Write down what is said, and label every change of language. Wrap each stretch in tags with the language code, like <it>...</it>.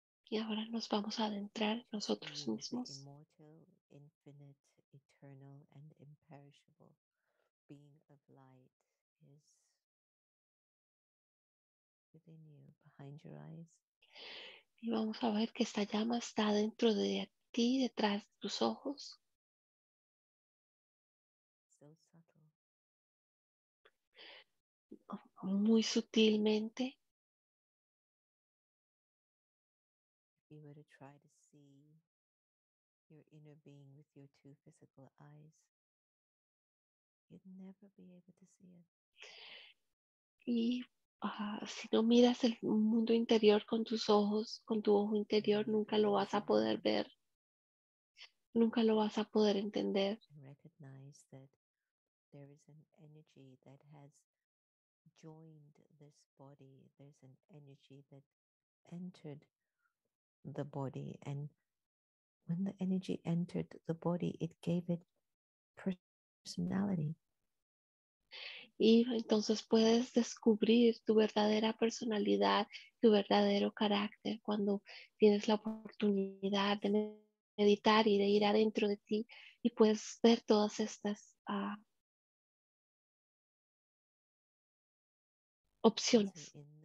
<es>Y ahora nos vamos a adentrar nosotros mismos.</es> <en>Immortal, infinite, eternal, and imperishable being of light. Is within you, behind your eyes.</en> <es>Y vamos a ver que esta llama está dentro de ti, detrás de tus ojos.</es> <en>So subtle.</en> <es>Muy sutilmente.</es> <en>If you were to try to see your inner being with your two physical eyes, you'd never be able to see it.</en> <es>Y si no miras el mundo interior con tus ojos, con tu ojo interior, nunca lo vas a poder ver, nunca lo vas a poder entender.</es> <en>Recognize that there is an energy that has joined this body. There's an energy that entered the body, and when the energy entered the body, it gave it personality.</en> <es>Y entonces puedes descubrir tu verdadera personalidad, tu verdadero carácter, cuando tienes la oportunidad de meditar y de ir adentro de ti y puedes ver todas estas opciones.</es>